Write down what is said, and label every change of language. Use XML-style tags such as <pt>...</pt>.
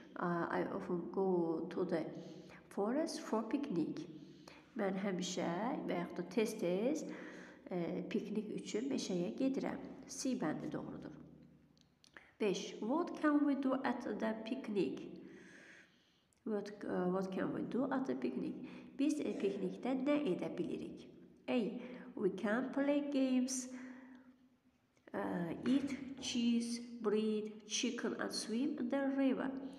<en>I often go to the forest for picnic.</en> <az>Mən həmişə və yaxud da tez-tez piknik üçün meşəyə gedirəm. C bəndi doğrudur. 5.</az> <en>What can we do at the picnic? What can we do at the picnic?</en> <az>Biz piknikdə nə edə bilirik? A.</az> <en>We can play games, eat cheese, breed chicken and swim in the river.</en>